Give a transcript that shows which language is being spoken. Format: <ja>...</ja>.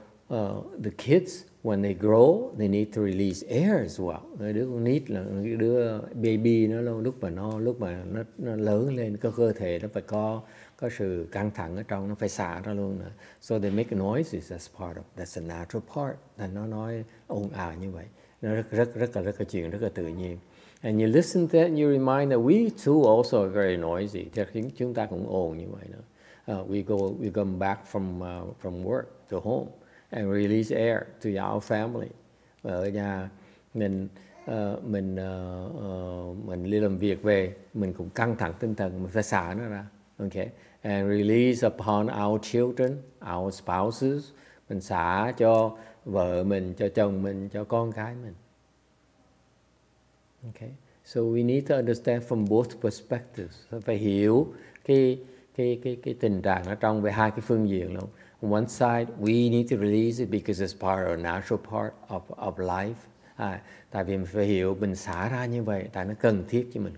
<en>the kids, when they grow, they need to release air as well.</en> <vi>Đấy, đứa con nít là đứa baby nó lúc mà nó lúc mà nó lớn lên, cái cơ thể nó phải có sự căng thẳng ở trong, nó phải xả ra luôn nữa.</vi> <en>So they make noises as part of that's a natural part.</en> <vi>Là nó nói ồn ào như vậy, nó rất là chuyện rất là tự nhiên.</vi> <en>And you listen to that, and you remind that we too also are very noisy.</en> <vi>Thế chúng ta cũng ồn như vậy nữa.</vi> <en>We come back from work to home and release air to our family.</en> <vi>Và ở nhà mình đi làm việc về, mình cũng căng thẳng tinh thần, mình phải xả nó ra.</vi> <en>Okay, and release upon our children, our spouses.</en> <vi>Mình xả cho vợ mình, cho chồng mình, cho con cái mình.</vi> <en>Okay, so we need to understand from both perspectives.</en> <vi>Phải hiểu cái tình trạng ở trong về hai cái phương diện luôn.</vi> <en>On one side, we need to release it because it's part of a natural part of life.</en> <vi>Tại vì mình phải hiểu mình xả ra như vậy, tại nó cần thiết cho mình.</vi>